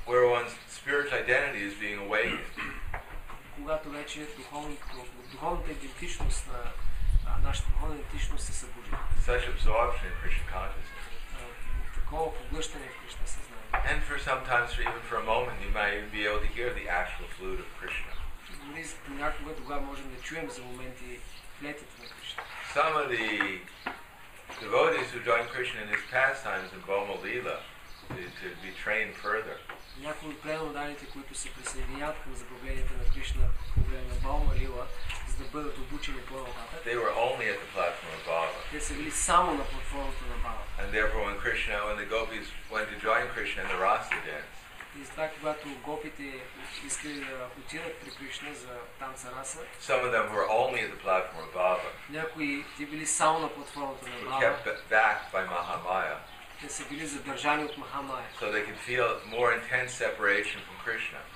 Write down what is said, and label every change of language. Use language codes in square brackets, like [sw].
[en] Where one's spiritual identity is being awakened. [bg] Когато вече духовната идентичност на нашата духовна идентичност се събужда. [en] Such absorption in Krishna consciousness. [bg] Такова поглъщане в Кришна съзнание. [en] And for sometimes, for even for a moment, you might even be able to hear the actual flute of Krishna. [bg] Понякога тогава можем да чуем за моменти флетата на Кришна. [en] Some of the devotees who join Krishna in his pastimes in Boma Lila to be trained further. [bg] Някои от преданите, които се присъединяват към заповедите на Кришна по време на Бома Лила, за да бъдат обучени по-нататък. [en] They were only at the platform of Bhava. [bg] Те са били само на платформата на Бхава. [en] And therefore when Krishna and the gopis went to join Krishna in the Rasa dance. [bg] И затова, когато гопите искали да отидат при Кришна за танца Раса, [en] some of them were only at the platform of Bhava. [bg] Някои те били само на платформата на Бхава. [en] Kept back by Mahamaya. [bg] Те са били задържани от Махамая. [en] So they can feel more intense separation from Krishna.